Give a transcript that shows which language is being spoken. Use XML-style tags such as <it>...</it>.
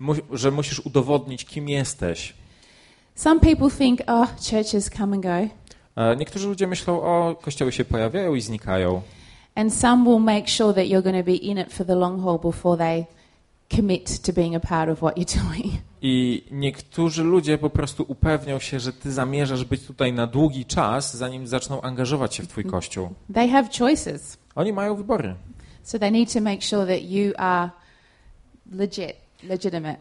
<pl>Że musisz udowodnić, kim jesteś.</pl> <en>Some people think, oh, churches come and go.</en> <pl>Niektórzy ludzie myślą, o, kościoły się pojawiają i znikają.</pl> <en>And some will make sure that you're going to be in it for the long haul before they commit to being a part of what you're doing.</en> <pl>I niektórzy ludzie po prostu upewnią się, że ty zamierzasz być tutaj na długi czas, zanim zaczną angażować się w twój kościół.</pl> <en>They have choices.</en> <pl>Oni mają wybory.</pl> <en>So they need to make sure that you are legitimate.</en>